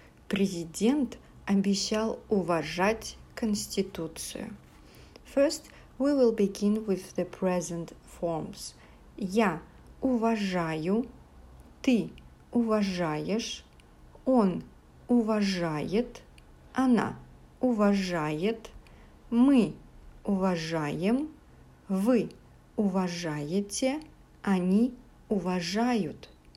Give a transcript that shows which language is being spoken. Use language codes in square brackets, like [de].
[ru] Президент обещал уважать Конституцию. [en] First, we will begin with the present forms. [ru] Я уважаю, ты уважаешь, он уважает, она уважает, мы уважаем, вы уважаете, они уважают.